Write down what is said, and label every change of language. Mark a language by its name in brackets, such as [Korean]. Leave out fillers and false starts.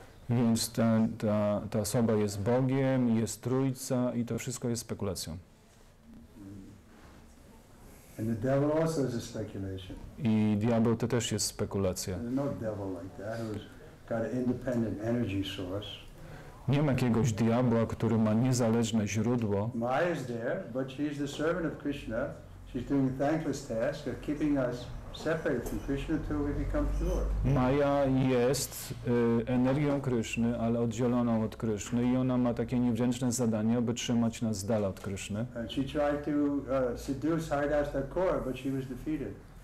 [Polish] Więc ta osoba jest Bogiem, jest Trójca i to wszystko jest spekulacją. [English] And the devil also is a speculation. [Polish] I diabeł to też jest spekulacja. [English] There's no devil like that. Who's got an independent energy source. [Polish] Nie ma jakiegoś diabła, który ma niezależne źródło. [English] Maya is there, but she's the servant of Krishna. She's doing a thankless task of keeping us separated from Krishna till we become pure. [Polish] Maya jest energią Kryszny, ale oddzieloną od Kryszny i ona ma takie niewdzięczne zadanie, aby trzymać nas z dala od Kryszny. [English] And she tried to seduce Haridas Thakur, but she was defeated.